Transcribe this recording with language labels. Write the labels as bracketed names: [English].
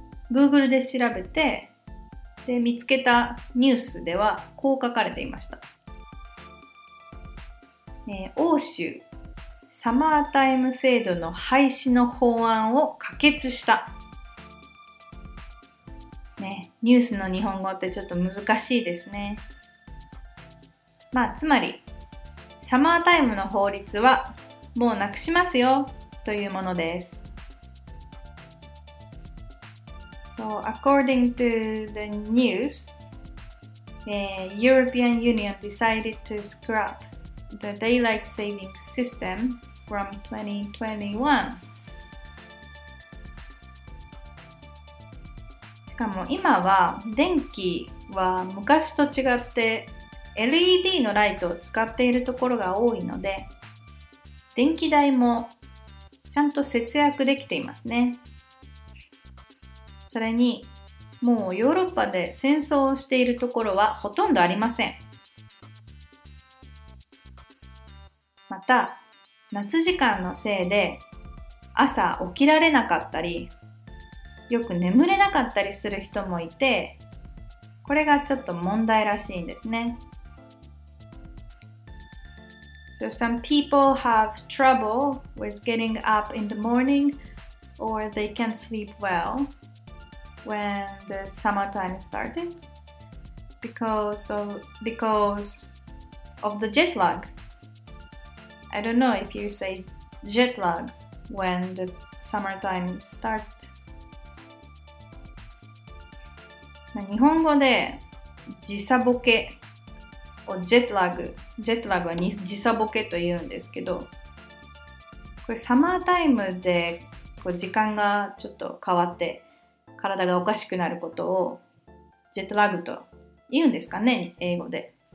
[Japanese] Google で調べて、で見つけたニュースではこう書かれていました、欧州サマータイム制度の廃止の法案を可決した、ね、ニュースの日本語ってちょっと難しいですね。まあつまりサマータイムの法律はもうなくしますよというものです。 [English] So, according to the news, European Union decided to scrap the daylight saving system from 2021. [Japanese] しかも今は電気は昔と違ってLED のライトを使っているところが多いので、電気代もちゃんと節約できていますね。それにもうヨーロッパで戦争をしているところはほとんどありません。また夏時間のせいで朝起きられなかったり、よく眠れなかったりする人もいて、これがちょっと問題らしいんですね。 [English] So some people have trouble with getting up in the morning, or they can't sleep well when the summertime started because of the jet lag. I don't know if you say jet lag when the summertime starts. [Japanese] 日本語で時差ボケをジェットラグは時差ボケと言うんですけど、これサマータイムでこう時間がちょっと変わって体がおかしくなることをジェットラグと言うんですかね、英語で。